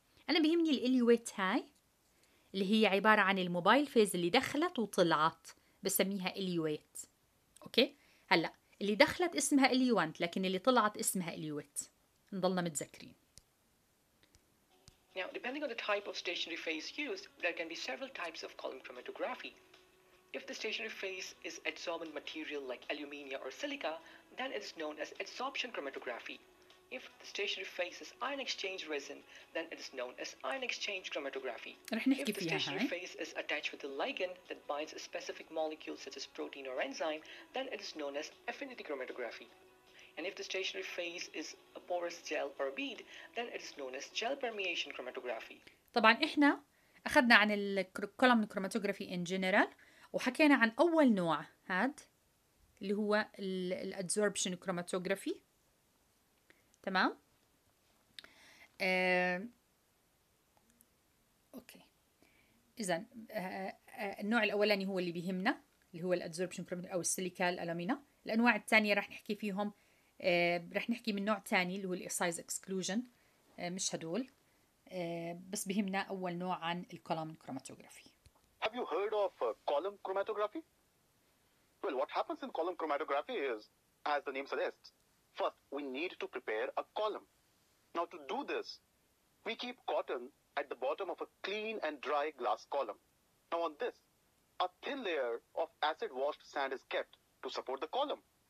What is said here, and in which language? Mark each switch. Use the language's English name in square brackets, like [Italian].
[Arabic] أنا بيهمني الإليوات هاي اللي هي عبارة عن الموبايل فيز اللي دخلت وطلعت بسميها إليوات. أوكي؟ هلأ اللي دخلت اسمها إليوانت، لكن اللي طلعت اسمها إليوات، نضلنا متذكرين. [English] Now, depending on the type of stationary phase used, there can be several types of column chromatography. If the stationary phase is adsorbent material like aluminia or silica, then it is known as adsorption chromatography. If the stationary phase is ion exchange resin, then it is known as ion exchange chromatography. If the stationary phase is attached with a ligand that binds a specific molecule such as protein or enzyme, then it is known as affinity chromatography. And if the stationary phase is a porous gel or bead, then it is known as gel permeation chromatography. [Arabic] طبعا احنا اخذنا عن الكولوم كروماتوغرافي [English] in general [Arabic] وحكينا عن اول نوع هاد اللي هو الادزوربشن كروماتوغرافي، تمام؟ اوكي. اذا النوع الاولاني هو اللي بيهمنا اللي هو الادزوربشن او السيليكا الالومينا. الانواع الثانيه رح نحكي فيهم، رح نحكي من نوع ثاني اللي هو الاسايز اكسكلوجن، مش هدول، بس بيهمنا اول نوع عن الكولوم كروماتوغرافي. [English] Have you heard of column chromatography? Well, what happens in column chromatography is, as the name suggests, first, we need to prepare a column. Now, to do this, we keep cotton at the bottom of a clean and dry glass column. Now, on this, a thin layer of acid-washed sand is kept to support the column.